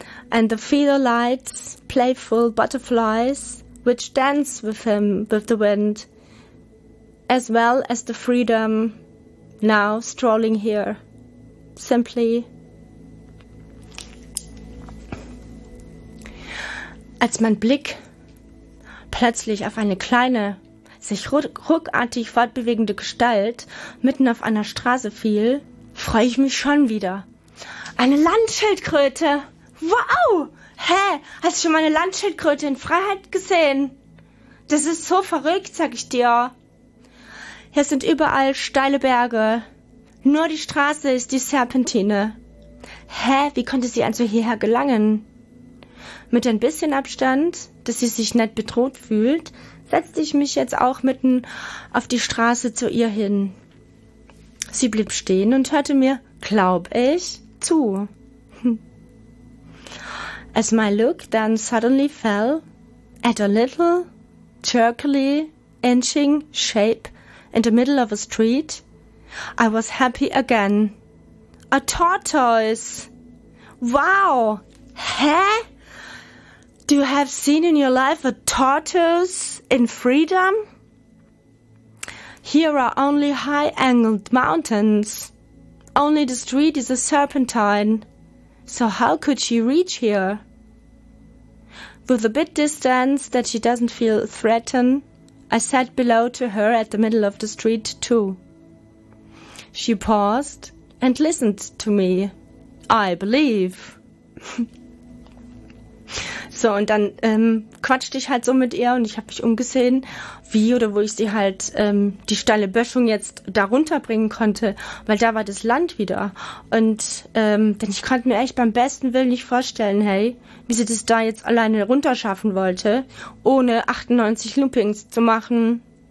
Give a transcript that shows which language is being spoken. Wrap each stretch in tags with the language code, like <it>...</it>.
<en>and the feeder lights, playful butterflies, which dance with him, with the wind, as well as the freedom now strolling here, simply.</en> <de>Als mein Blick plötzlich auf eine kleine, sich ruckartig fortbewegende Gestalt mitten auf einer Straße fiel, freue ich mich schon wieder. Eine Landschildkröte! Wow! Hä, hast du schon mal eine Landschildkröte in Freiheit gesehen? Das ist so verrückt, sag ich dir. Hier sind überall steile Berge. Nur die Straße ist die Serpentine. Hä, wie konnte sie also hierher gelangen? Mit ein bisschen Abstand, dass sie sich nicht bedroht fühlt, setzte ich mich jetzt auch mitten auf die Straße zu ihr hin. Sie blieb stehen und hörte mir, glaub ich, zu.</de> <en>As my look then suddenly fell at a little, jerkily, inching shape in the middle of a street, I was happy again. A tortoise! Wow! Heh? Do you have seen in your life a tortoise in freedom? Here are only high-angled mountains. Only the street is a serpentine. So how could she reach here? With a bit distance that she doesn't feel threatened, I sat below to her at the middle of the street too. She paused and listened to me. I believe.</en> <de>So, und dann quatschte ich halt so mit ihr und ich habe mich umgesehen, wie oder wo ich sie halt die steile Böschung jetzt da runterbringen konnte, weil da war das Land wieder. Und denn ich konnte mir echt beim besten Willen nicht vorstellen, hey, wie sie das da jetzt alleine runterschaffen wollte, ohne 98 Loopings zu machen.</de>